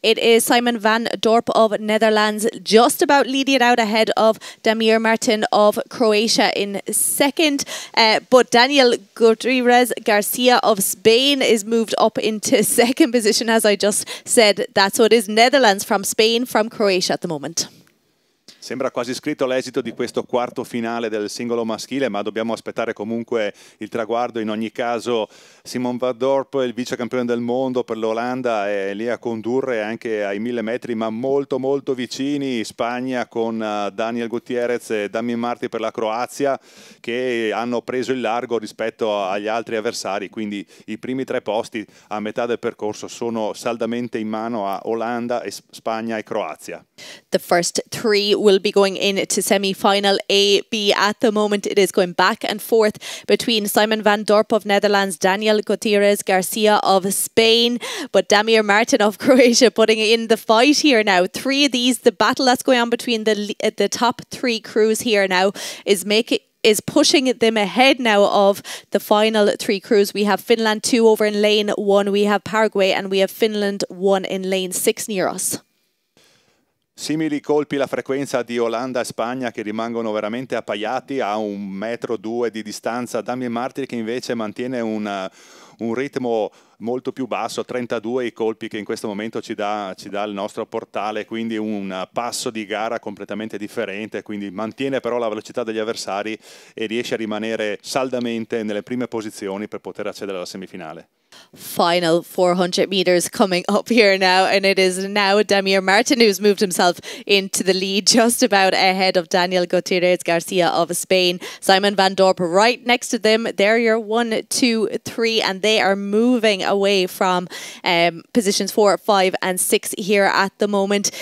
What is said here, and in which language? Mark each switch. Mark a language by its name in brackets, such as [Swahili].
[English] It is Simon Van Dorp of Netherlands just about leading it out ahead of Damir Martin of Croatia in second. But Daniel Gutierrez Garcia of Spain is moved up into second position, as I just said. That's what is Netherlands from Spain, from Croatia at the moment. [Italian] Sembra quasi scritto l'esito di questo quarto finale del singolo maschile, ma dobbiamo aspettare comunque il traguardo. In ogni caso, Simon Van Dorp, il vice campione del mondo per l'Olanda, è lì a condurre anche ai 1000 metri, ma molto molto vicini Spagna con Daniel Gutierrez e Damir Martin per la Croazia, che hanno preso il largo rispetto agli altri avversari. Quindi i primi tre posti a metà del percorso sono saldamente in mano a Olanda, e Spagna e Croazia. [English] The first three will be going in to semi-final A, B. At the moment, it is going back and forth between Simon Van Dorp of Netherlands, Daniel Gutierrez Garcia of Spain, but Damir Martin of Croatia putting in the fight here now. Three of these, the battle that's going on between the top three crews here now is making... is pushing them ahead now of the final three crews. We have Finland 2 over in lane 1, we have Paraguay, and we have Finland 1 in lane 6 near us. [Italian] Simili colpi la frequenza di Olanda e Spagna, che rimangono veramente appaiati a 1-2 metri di distanza. Damien Martin, che invece mantiene un ritmo molto più basso, 32 i colpi che in questo momento ci dà il nostro portale, quindi un passo di gara completamente differente, quindi mantiene però la velocità degli avversari e riesce a rimanere saldamente nelle prime posizioni per poter accedere alla semifinale. [English] Final 400 meters coming up here now, and it is now Damir Martin who's moved himself into the lead just about ahead of Daniel Gutierrez Garcia of Spain. Simon Van Dorp right next to them. They're your 1, 2, 3, and they are moving away from positions 4, 5, and 6 here at the moment.